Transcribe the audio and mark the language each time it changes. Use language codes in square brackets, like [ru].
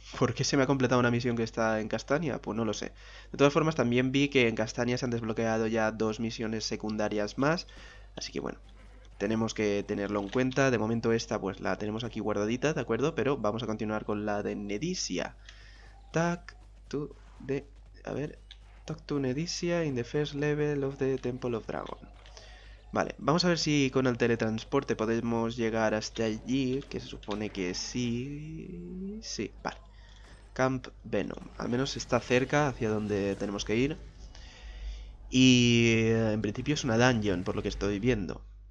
[es] ¿Por qué se me ha completado una misión que está en Castania? Pues no lo sé. De todas formas, también vi que en Castania se han desbloqueado ya dos misiones secundarias más. Así que bueno, tenemos que tenerlo en cuenta. De momento esta pues la tenemos aquí guardadita, ¿de acuerdo? Pero vamos a continuar con la de Nedisia. Tac, tu, de... A ver, [en] Talk to Nedisia in the first level of the Temple of Dragon. [es] Vale, vamos a ver si con el teletransporte podemos llegar hasta allí. Que se supone que sí. Sí, vale. Camp Venom. Al menos está cerca hacia donde tenemos que ir. Y en principio es una dungeon, por lo que estoy viendo.